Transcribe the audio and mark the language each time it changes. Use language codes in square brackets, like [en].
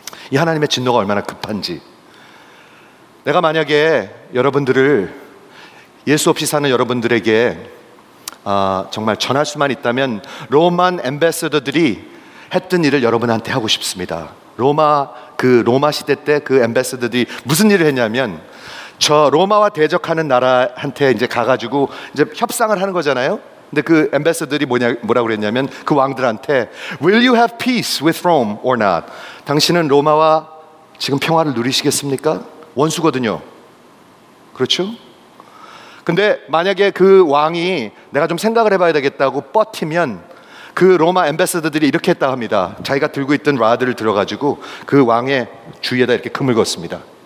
[ko] 이 하나님의 진노가 얼마나 급한지. 내가 만약에 여러분들을, 예수 없이 사는 여러분들에게 정말 전할 수만 있다면 로만 엠베서더들이 했던 일을 여러분한테 하고 싶습니다. 로마 시대 때 그 엠베서더들이 무슨 일을 했냐면, 저 로마와 대적하는 나라한테 이제 가가지고 이제 협상을 하는 거잖아요. 근데 그 엠베서더들이 뭐라고 그랬냐면, 그 왕들한테 [en] Will you have peace with Rome or not? [ko] 당신은 로마와 지금 평화를 누리시겠습니까? 원수거든요. 그렇죠? 근데 만약에 그 왕이 내가 좀 생각을 해봐야 되겠다고 버티면, 그 로마 엠베서더들이 이렇게 했다 합니다. 자기가 들고 있던 라드를 들어가지고 그 왕의 주위에다 이렇게 금을 걷습니다.